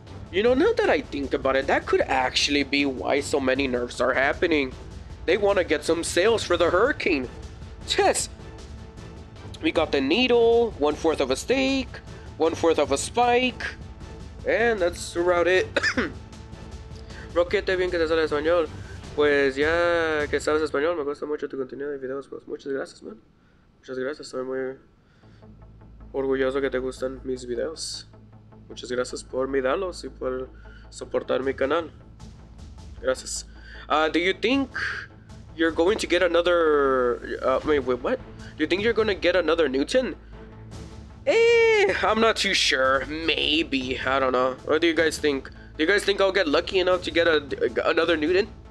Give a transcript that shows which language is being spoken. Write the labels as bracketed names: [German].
[English] You know, now that I think about it, that could actually be why so many nerfs are happening. They want to get some sales for the Hurricane. Yes! We got the needle, 1/4 of a stake, 1/4 of a spike, and that's about it. [Spanish] Roque, te bien que te sale español. Pues ya que sabes español, me gusta mucho tu contenido de videos. Pues muchas gracias, man. Muchas gracias. Estoy muy orgulloso que te gustan mis videos. Muchas gracias por mirarlos y por soportar mi canal. Gracias. [English] Do you think you're going to get another... wait, what? Do you think you're going to get another Newton? I'm not too sure. Maybe. I don't know. What do you guys think? Do you guys think I'll get lucky enough to get another Newton?